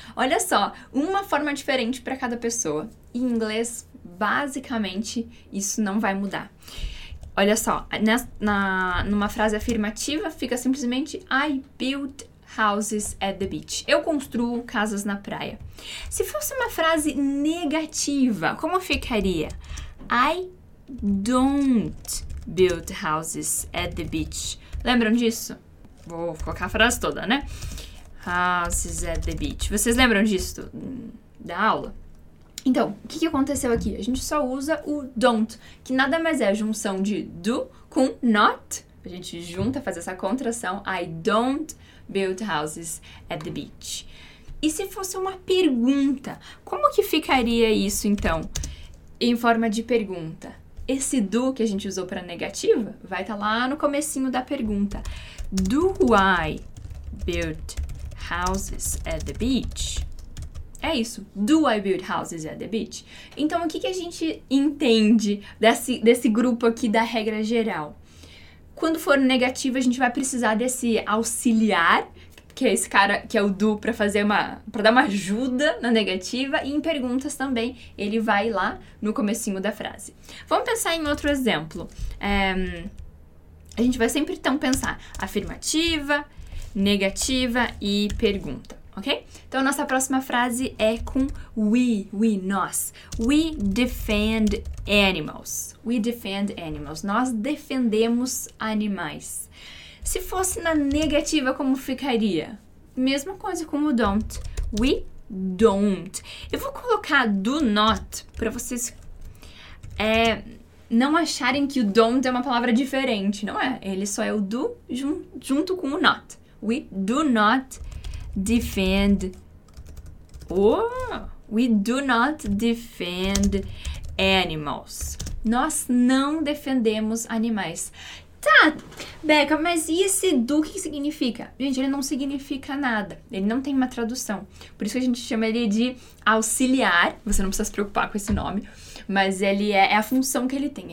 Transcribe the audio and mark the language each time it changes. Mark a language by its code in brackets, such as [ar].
[pt] Olha só, uma forma diferente para cada pessoa. Em inglês, basicamente, isso não vai mudar. Olha só, numa frase afirmativa, fica simplesmente [en] I built houses at the beach. [pt] Eu construo casas na praia. Se fosse uma frase negativa, como ficaria? [en] I don't build houses at the beach. [pt] Lembram disso? Vou colocar a frase toda, né? [en] Houses at the beach. [pt] Vocês lembram disso da aula? Então, o que aconteceu aqui? A gente só usa o don't, que nada mais é a junção de do com not. A gente junta, faz essa contração. [en] I don't build houses at the beach. [pt] E se fosse uma pergunta, como que ficaria isso, então, em forma de pergunta? Esse do que a gente usou para negativa vai estar lá no comecinho da pergunta. [en] Do I build houses at the beach? [pt] É isso. [en] Do I build houses at the beach? [pt] Então, o que, que a gente entende desse grupo aqui da regra geral? Quando for negativo, a gente vai precisar desse auxiliar, que é esse cara, que é o do, para fazer para dar uma ajuda na negativa. E em perguntas também, ele vai lá no comecinho da frase. Vamos pensar em outro exemplo. A gente vai sempre, então, pensar afirmativa, negativa e pergunta. ok? Então, a nossa próxima frase é com we, nós. [en] We defend animals. We defend animals. [pt] Nós defendemos animais. Se fosse na negativa, como ficaria? Mesma coisa com o don't. [en] We don't. [pt] Eu vou colocar do not para vocês não acharem que o don't é uma palavra diferente, não é? Ele só é o do junto com o not. [en] We do not defend. Oh, we do not defend animals. [pt] Nós não defendemos animais. Tá, Becca, mas e esse do que significa? Gente, ele não significa nada. Ele não tem uma tradução. Por isso que a gente chama ele de auxiliar. Você não precisa se preocupar com esse nome. Mas ele é a função que ele tem.